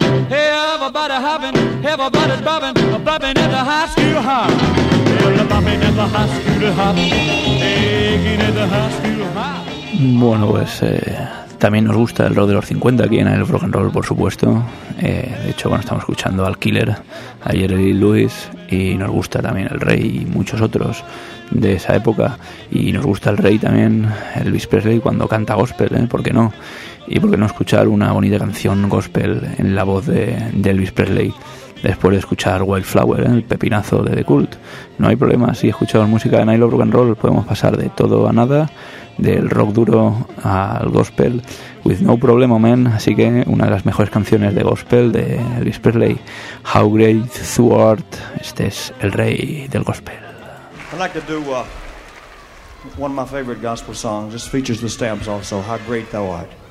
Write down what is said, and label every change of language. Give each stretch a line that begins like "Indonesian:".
English: Everybody hopping, everybody's bopping, bopping at the high school hop. Well, the bopping at the high school hop, taking at the high school hop.
Spanish: Bueno, pues También nos gusta el rock de los 50 aquí en el rock and roll, por supuesto. De hecho, bueno, estamos escuchando al Killer, a Jerry Lewis, y nos gusta también el Rey y muchos otros de esa época. Y nos gusta el Rey también, Elvis Presley, cuando canta gospel, ¿por qué no? Y por qué no escuchar una bonita canción gospel en la voz de Elvis Presley después de escuchar Wildflower, el pepinazo de The Cult. No hay problema, si escuchamos música de Nile Rock and Roll, podemos pasar de todo a nada, del rock duro al gospel,
English: with no problem, man.
Spanish: Así que una de las mejores canciones de gospel de Elvis Presley, How Great Thou Art. Este es el Rey del gospel.
English: I'd like to do one of my favorite gospel songs. This features the Stamps also, How Great Thou Art.